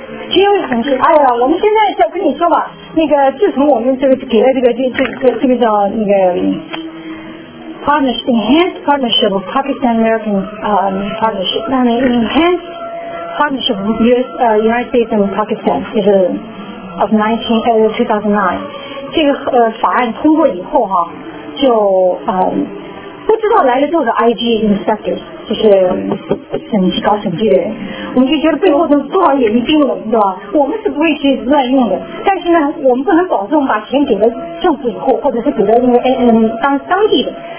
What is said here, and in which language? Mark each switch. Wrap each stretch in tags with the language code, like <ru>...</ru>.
<zh>因为很是，哎呀，我们现在要跟你说吧，那个自从我们这个给了这个叫那个。</zh> <en>Partnership, enhanced partnership of Pakistan American partnership. I mean, enhanced partnership of United States and Pakistan is of 2009.</en> <zh>这个法案通过以后哈，就不知道来了多少 IG inspectors， 就是审计搞审计的人。我们就觉得背后都多少眼睛盯着我们，对吧？我们是不会去乱用的，但是呢，我们不能保证把钱给了政府以后，或者是给了那个当地的。</zh>